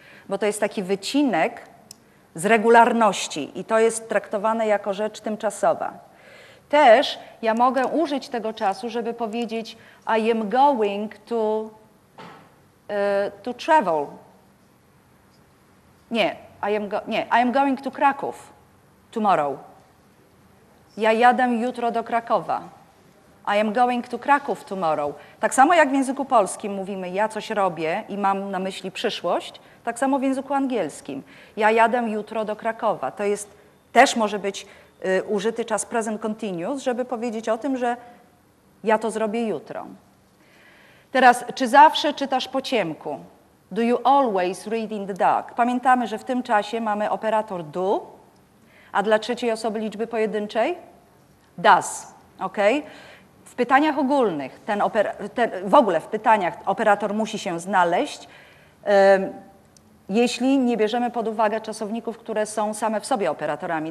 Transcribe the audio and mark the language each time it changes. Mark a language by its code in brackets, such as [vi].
[pl] Bo to jest taki wycinek z regularności i to jest traktowane jako rzecz tymczasowa. Też ja mogę użyć tego czasu, żeby powiedzieć, [en] I am going to travel. [pl] Nie, [en] I am going to Kraków tomorrow. [pl] Ja jadę jutro do Krakowa. [en] I am going to Kraków tomorrow. [pl] Tak samo jak w języku polskim mówimy, ja coś robię i mam na myśli przyszłość, tak samo w języku angielskim. Ja jadę jutro do Krakowa. To jest też może być użyty czas present continuous, żeby powiedzieć o tym, że ja to zrobię jutro. Teraz, czy zawsze czytasz po ciemku? [en] Do you always read in the dark? [pl] Pamiętamy, że w tym czasie mamy operator do, a dla trzeciej osoby liczby pojedynczej? Does, ok? W pytaniach ogólnych, w ogóle w pytaniach operator musi się znaleźć, jeśli nie bierzemy pod uwagę czasowników, które są same w sobie operatorami.